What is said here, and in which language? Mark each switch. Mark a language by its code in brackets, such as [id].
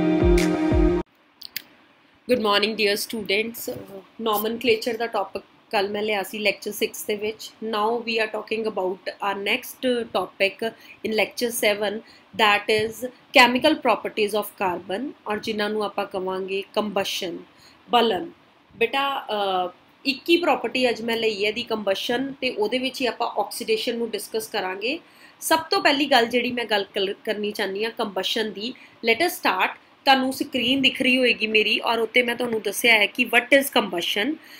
[en] Good morning, dear students. [pa] Nomenclature ਦਾ topic ਕੱਲ ਮੈਂ ਲਿਆ ਸੀ lecture 6 ਦੇ ਵਿੱਚ. [en] Now we are talking about our next topic in lecture 7, that is chemical properties of carbon, [pa] ਔਰ ਜਿਨ੍ਹਾਂ ਨੂੰ ਆਪਾਂ ਕਵਾਂਗੇ combustion, ਬਲਨ. ਬੇਟਾ ਇੱਕ ਹੀ ਪ੍ਰੋਪਰਟੀ ਅੱਜ ਮੈਂ ਲਈ ਹੈ ਦੀ combustion, ਅਤੇ ਉਹਦੇ ਵਿੱਚ ਹੀ ਆਪਾਂ ਆਕਸੀਡੇਸ਼ਨ ਨੂੰ ਡਿਸਕਸ ਕਰਾਂਗੇ. ਸਭ ਤੋਂ ਪਹਿਲੀ ਗੱਲ ਜਿਹੜੀ ਮੈਂ ਗੱਲ ਕਰਨੀ ਚਾਹੁੰਦੀ ਹਾਂ combustion ਦੀ, [en] Let us start. [pa] ਤੁਹਾਨੂੰ ਸਕਰੀਨ ਦਿਖ ਰਹੀ ਹੋਏਗੀ ਮੇਰੀ, ਔਰ ਉੱਤੇ ਮੈਂ ਤੁਹਾਨੂੰ ਦੱਸਿਆ ਹੈ ਕਿ [en] What is combustion.